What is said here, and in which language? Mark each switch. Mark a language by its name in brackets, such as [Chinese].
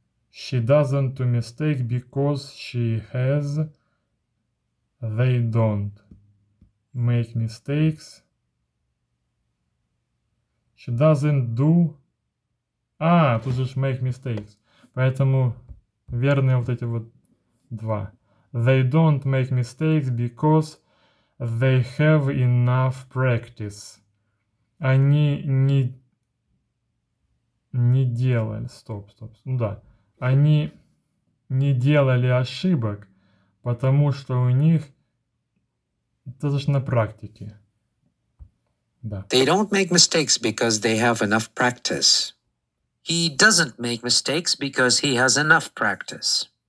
[English] She doesn't do mistake because she has. They don't. Make mistakes. She doesn't do. [Russian] А, тут же [English] make mistakes. [Russian] Поэтому верные вот эти вот два. They don't make mistakes because they have enough practice. Они не делали. Стоп, стоп. Ну да. Они не делали ошибок, потому что у них достаточно практики. Да. [English] They don't make mistakes because they have enough practice. He doesn't make mistakes because he has enough practice.